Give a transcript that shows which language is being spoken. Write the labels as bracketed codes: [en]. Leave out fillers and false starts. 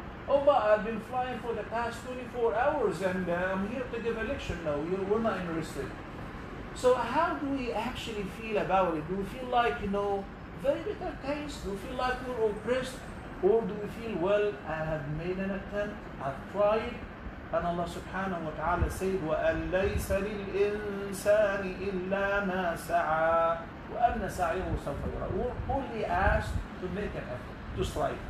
[en] Oh, but I've been flying for the past 24 hours and I'm here to give a lecture. No, we're not interested. So how do we actually feel about it? Do we feel like, you know, very bitter taste? Do we feel like we're oppressed? Or do we feel, well, I have made an attempt, I've tried, And Allah subhanahu wa ta'ala said, [ar] وَأَلَّيْسَ لِلْإِنسَانِ إِلَّا مَا سَعَى وَأَنَّ سَعِيهُ سَوْفَ يُرَى. [en] We're only asked to make an effort, to strive.